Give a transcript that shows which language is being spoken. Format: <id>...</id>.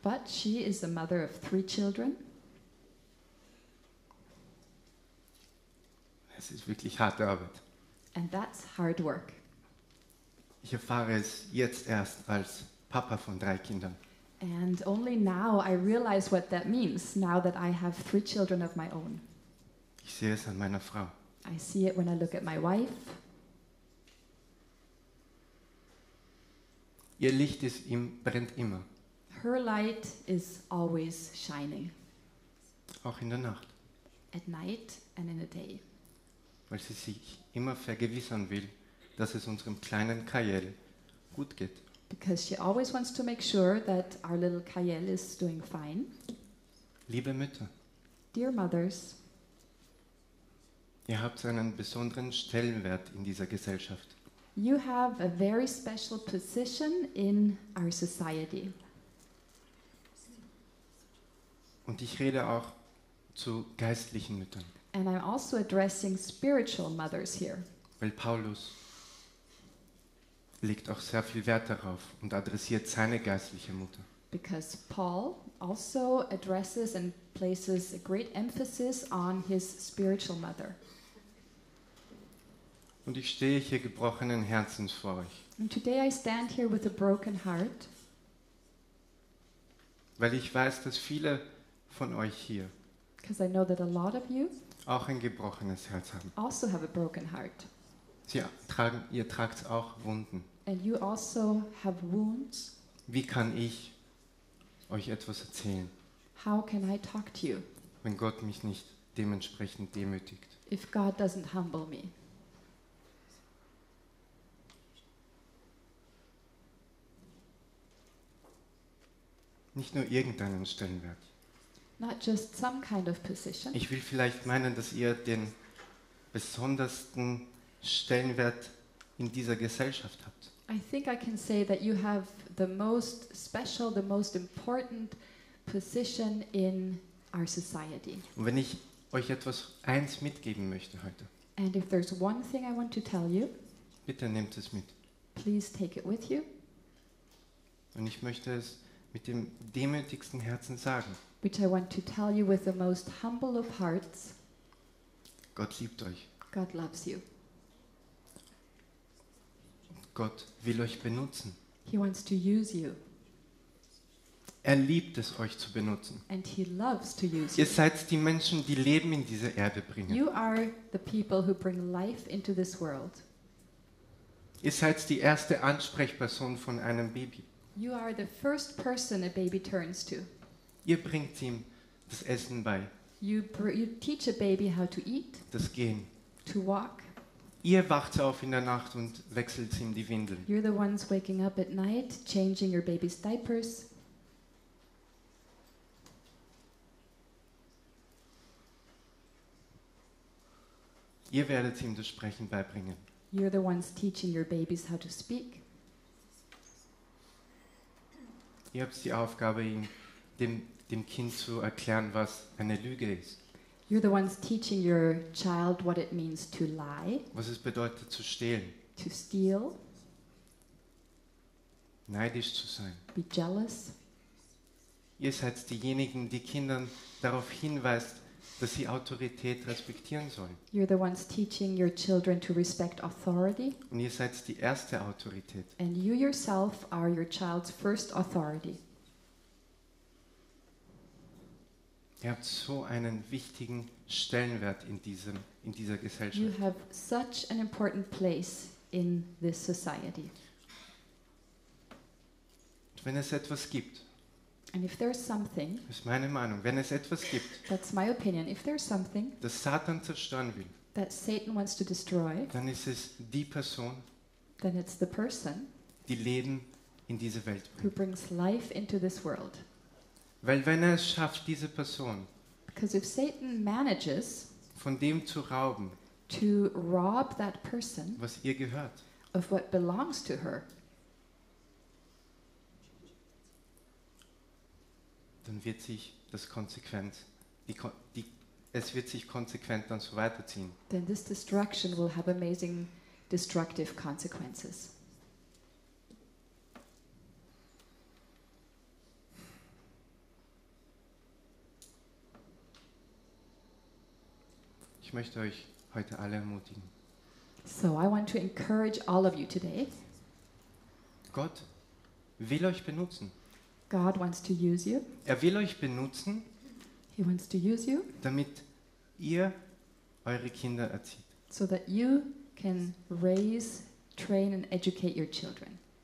<en>But she is a mother of three children.</en> <de>Es ist wirklich harte Arbeit.</de> <en>And that's hard work.</en> <de>Ich erfahre es jetzt erst als Papa von drei Kindern.</de> <en>And only now I realize what that means, now that I have three children of my own.</en> <de>Ich sehe es an meiner Frau.</de> <en>I see it when I look at my wife.</en> <de>Ihr Licht ist brennt immer.</de> <en>Her light is always shining.</en> <de>Auch in der Nacht.</de> <en>At night and in the day.</en> <de>Weil sie sich immer vergewissern will, dass es unserem kleinen Kael gut geht.</de> <en>Because she always wants to make sure that our little Kael is doing fine.</en> <de>Liebe Mütter.</de> <en>Dear mothers.</en> <de>Ihr habt einen besonderen Stellenwert in dieser Gesellschaft.</de> <en>You have a very special position in our society.</en> <de>Und ich rede auch zu geistlichen Müttern.</de> <en>And I'm also addressing spiritual mothers here.</en> <de>Weil Paulus legt auch sehr viel Wert darauf und adressiert seine geistliche Mutter.</de> <en>Because Paul also addresses and places a great emphasis on his spiritual mother.</en> <de>Und ich stehe hier gebrochenen Herzens vor euch.</de> <en>And today I stand here with a broken heart.</en> <de>Weil ich weiß, dass viele von euch hier,</de> <en>because I know that a lot of you,</en> <de>auch ein gebrochenes Herz haben.</de> <en>Also have a broken heart.</en> <de>Ihr tragt auch Wunden.</de> <en>And you also have wounds.</en> <de>Wie kann ich euch etwas erzählen?</de> <en>How can I talk to you?</en> <de>Wenn Gott mich nicht dementsprechend demütigt.</de> <en>If God doesn't humble me.</en> <de>Nicht nur irgendeinen Stellenwert.</de> <en>Not just some kind of position.</en> <de>Ich will vielleicht meinen, dass ihr den besondersten Stellenwert in dieser Gesellschaft habt.</de> <en>I think I can say that you have the most special, the most important position in our society.</en> <de>Und wenn ich euch etwas eins mitgeben möchte heute.</de> <en>And if there's one thing I want to tell you.</en> <de>Bitte nehmt es mit.</de> <en>Please take it with you.</en> <de>Und ich möchte es mit dem demütigsten Herzen sagen.</de> <en>Which I want to tell you with the most humble of hearts.</en> <de>Gott liebt euch.</de> <en>God loves you.</en> <de>Gott will euch benutzen.</de> <en>He wants to use you.</en> <de>Er liebt es, euch zu benutzen.</de> <en>And he loves to use you.</en> <de>Ihr seid die Menschen, die Leben in diese Erde bringen.</de> <en>You are the people who bring life into this world.</en> <de>Ihr seid die erste Ansprechperson von einem Baby.</de> <en>You are the first person a baby turns to.</en> <de>Ihr bringt ihm das Essen bei.</de> <en>You teach a baby how to eat.</en> <de>Das Gehen.</de> <en>To walk.</en> <de>Ihr wacht auf in der Nacht und wechselt ihm die Windeln.</de> <en>You're the ones waking up at night, changing your baby's diapers.</en> <de>Ihr werdet ihm das Sprechen beibringen.</de> <en>You're the ones teaching your babies how to speak.</en> <de>Ihr habt die Aufgabe, ihm dem Kind zu erklären, was eine Lüge ist.</de> <en>You're the ones teaching your child what it means to lie.</en> <de>Was es bedeutet zu stehlen.</de> <en>To steal.</en> <de>Neidisch zu sein.</de> <en>Be jealous.</en> <de>Ihr seid diejenigen, die Kindern darauf hinweist, dass sie Autorität respektieren sollen.</de> <en>You're the ones teaching your children to respect authority.</en> <de>Und ihr seid die erste Autorität.</de> <en>And you yourself are your child's first authority.</en> <de>Ihr habt so einen wichtigen Stellenwert in dieser Gesellschaft.</de> <en>You have such an important place in this society.</en> <de>Wenn es etwas gibt,</de> <en>and if there's something,</en> <de>ist meine Meinung, wenn es etwas gibt,</de> <en>that's my opinion, if there's something,</en> <de>das Satan zerstören will,</de> <en>that Satan wants to destroy,</en> <de>dann ist es die Person,</de> <en>then it's the person,</en> <de>die Leben in diese Welt bringt,</de> <en>who brings life into this world.</en> <de>Weil wenn er es schafft, diese Person,</de> <en>because if Satan manages,</en> <de>von dem zu rauben,</de> <en>to rob that person,</en> <de>was ihr gehört,</de> <en>of what belongs to her,</en> <de>dann wird sich das konsequent, es wird sich konsequent dann so weiterziehen.</de> <en>Then this destruction will have amazing destructive consequences.</en> <de>Ich möchte euch heute alle ermutigen.</de> <en>So I want to encourage all of you today.</en> <de>Gott will euch benutzen.</de> <en>God wants to use you.</en> <de>Er will euch benutzen.</de> <en>He wants to use you.</en> <de>Damit ihr eure Kinder erzieht.</de> <en>So that you can raise, train and educate your children.</en>